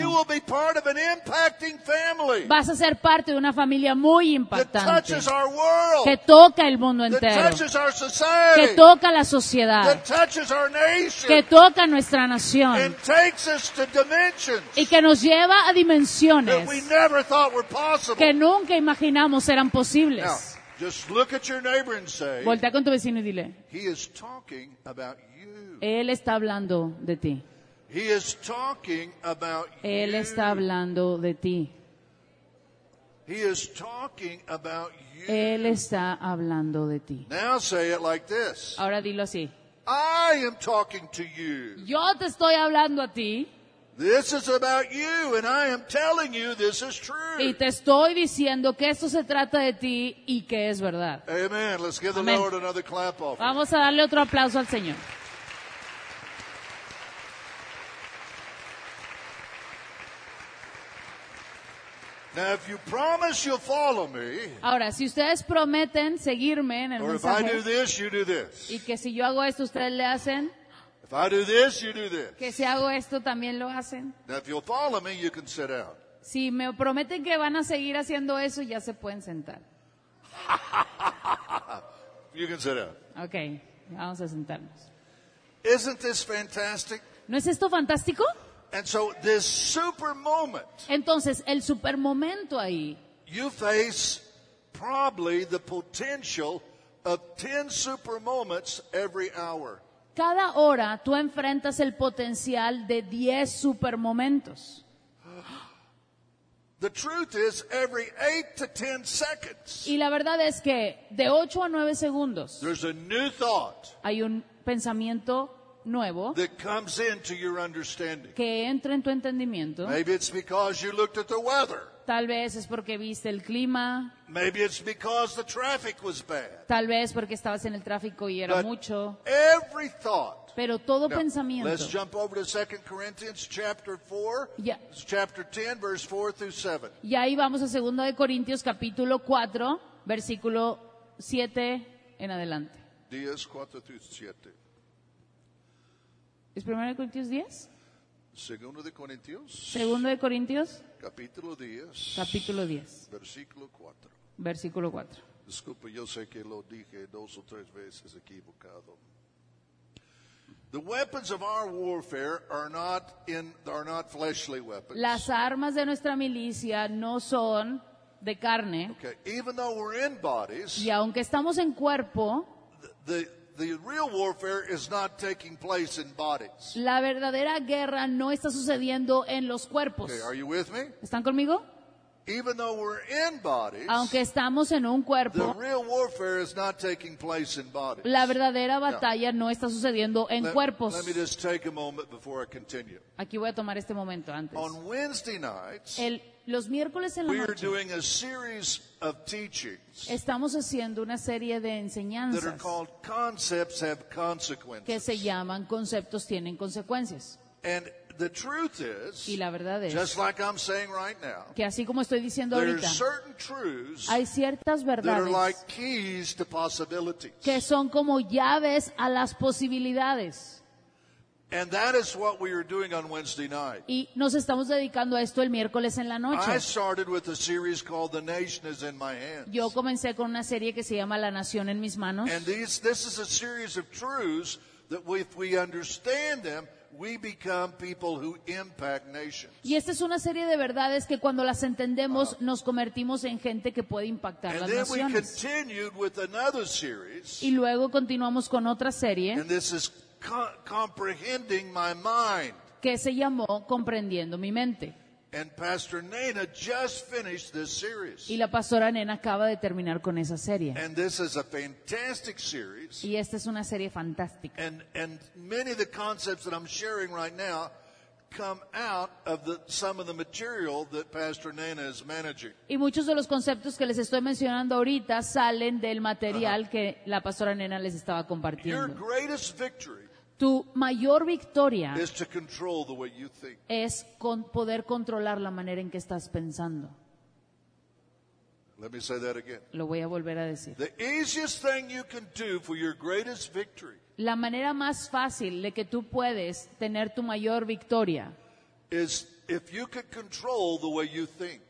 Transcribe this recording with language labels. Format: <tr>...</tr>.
<en>you will be part of an impacting family.</en> <es>Vas a ser parte de una familia muy impactante.</es> <en>Touches our world,</en> <es>que toca el mundo entero,</es> <en>touches our society,</en> <es>que toca la sociedad,</es> <en>touches our nation,</en> <es>que toca nuestra nación,</es> <en>and takes us to dimensions,</en> <es>y que nos lleva a dimensiones</es> <en>that we never thought were possible,</en> <es>que nunca imaginamos eran posibles.</es> <en>Now, just look at your neighbor and say,</en> <es>voltea con tu vecino y dile,</es> <en>he is talking about you.</en> <es>Él está hablando de ti.</es> <en>He is talking about you.</en> <es>Él está hablando de ti.</es> <en>He is talking about you.</en> <es>Él está hablando de ti.</es> <en>Now say it like this.</en> <es>Ahora dilo así.</es> <en>I am talking to you.</en> <es>Yo te estoy hablando a ti.</es> <en>This is about you, and I am telling you this is true.</en> <es>Y te estoy diciendo que esto se trata de ti y que es verdad.</es> <en>Amen. Let's give the Amen. Lord another clap offering.</en> <es>Vamos a darle otro aplauso al Señor.</es> <en>Now, if you promise you'll follow me,</en> <es>ahora, si ustedes prometen seguirme en el</es> <en>or</en> <es>mensaje,</es> <en>if I do this, you do this.</en> <es>Y que si yo hago esto, ustedes le hacen,</es> <en>if I do this, you do this.</en> <es>Que si hago esto, también lo hacen.</es> <en>Now, if you'll follow me, you can sit down.</en> <es>Si me prometen que van a seguir haciendo eso, ya se pueden sentar.</es> <en>You can sit down.</en> <es>Okay, vamos a sentarnos.</es> <en>Isn't this fantastic?</en> <es>¿No es esto fantástico?</es> <en>And so this super moment.</en> <es>Entonces, el super momento ahí.</es> <en>You face probably the potential of 10 super moments every hour.</en> <es>Cada hora tú enfrentas el potencial de 10 super momentos.</es> <en>The truth is every 8 to 10 seconds.</en> <es>Y la verdad es que de 8 a 9 segundos.</es> <en>There's a new thought.</en> <es>Hay un pensamiento nuevo.</es> <en>That comes into your understanding.</en> <es>Que entra en tu entendimiento.</es> <en>Maybe it's because you looked at the weather.</en> <es>Tal vez es porque viste el clima.</es> <en>Maybe it's because the traffic was bad.</en> <es>Tal vez porque estabas en el tráfico y era</es> <en>But</en> <es>mucho.</es> <en>Every thought.</en> <es>Pero todo pensamiento.</es> <en>Let's jump over to 2 Corinthians chapter 4. Yeah. Chapter 10 verse 4 through 7.</en> <es>Y ahí vamos a 2 de Corintios capítulo 4 versículo 7 en adelante.</es> <en>10 4 through 7.</en> <es>¿Es 1 Corintios 10? 2 de Corintios. 2 de Corintios. Capítulo 10. Capítulo 10. Versículo 4. Versículo 4. Disculpe, yo sé que lo dije dos o tres veces equivocado.</es> <en>The weapons of our warfare are not fleshly weapons.</en> <es>Las armas de nuestra milicia no son de carne.</es> <en>Okay, even though we're in bodies.</en> <es>Y aunque estamos en cuerpo.</es> <en>The real warfare is not taking place in bodies.</en> <es>La verdadera guerra no está sucediendo en los cuerpos.</es> <en>Okay, are you with me?</en> <es>¿Están conmigo?</es> <en>Even though we're in bodies,</en> <es>aunque estamos en un cuerpo,</es> <en>the real warfare is not taking place in bodies.</en> <es>La verdadera batalla no está sucediendo en cuerpos.</es> <en>Let me just take a moment before I continue.</en> <es>Aquí voy a tomar este momento antes.</es> <en>On Wednesday nights,</en> <es>los miércoles en la noche,</es> <en>we are doing a series of teachings.</en> <es>Estamos haciendo una serie de enseñanzas</es> <en>that are called Concepts Have Consequences.</en> <es>Que se llaman Conceptos Tienen Consecuencias.</es> <en>And the truth is,</en> <es>y la verdad es,</es> <en>just like I'm saying right now,</en> <es>que así como estoy diciendo</es> <en>there</en> <es>ahorita,</es> <en>are certain truths,</en> <es>hay ciertas verdades</es> <en>that are like keys to possibilities.</en> <es>Que son como llaves a las posibilidades.</es> <en>And that is what we are doing on Wednesday night.</en> <es>Y nos estamos dedicando a esto el miércoles en la noche.</es> <en>I started with a series called The Nation Is in My Hands.</en> <es>Yo comencé con una serie que se llama La Nación en Mis Manos.</es> <en>And this is a series of truths that we, if we understand them, we become people who impact nations.</en> <es>Y esta es una serie de verdades que cuando las entendemos nos convertimos en gente que puede impactar</es> <en>and</en> <es>las</es> <en>then</en> <es>naciones.</es> <en>We continued with another series.</en> <es>Y luego continuamos con otra serie.</es> <en>And this is comprehending my mind.</en> <es>Que se llamó Comprendiendo Mi Mente.</es> <en>And Pastor Nana just finished this series.</en> <es>Y la pastora Nana acaba de terminar con esa serie.</es> <en>And this is a fantastic series.</en> <es>Y esta es una serie fantástica.</es> <en>And many of the concepts that I'm sharing right now come out of some of the material that Pastor Nana is managing.</en> <es>Y muchos de los conceptos que les estoy mencionando ahorita salen del material que la pastora Nana les estaba compartiendo.</es> <en>Your greatest victory.</en> <es>Tu mayor victoria</es> <en>is to control the way you think.</en> <es>Es con poder controlar la manera en que estás pensando.</es> <en>Let me say that again.</en> <es>Lo voy a volver a decir.</es> <en>The easiest thing you can do for your greatest victory.</en> <es>La manera más fácil de que tú puedes tener tu mayor victoria</es> <en>is if you can control the way you think.</en>